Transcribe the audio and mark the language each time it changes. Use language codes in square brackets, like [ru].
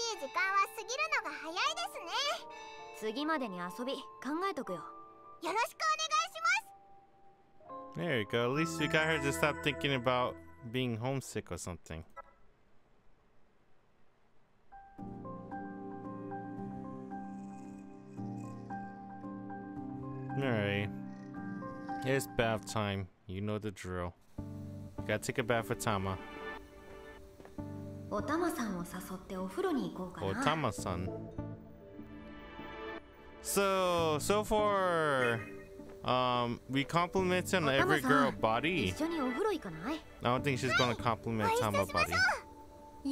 [ja] 楽しい時間は過ぎるのが早いですね。次までに遊び考えとくよ。よろしくお願いします。 [en] There you go. At least you got her to stop thinking about being homesick or something. Alright, it's bath time. You know the drill. You gotta take a bath for Tama. [ja] おたまさんを誘ってお風呂に行こうかな。おたまさん。 [en] So, so far, we complimented on every girl body. [ja] 一緒にお風呂行かない？ [en] I don't think she's gonna compliment Tama body.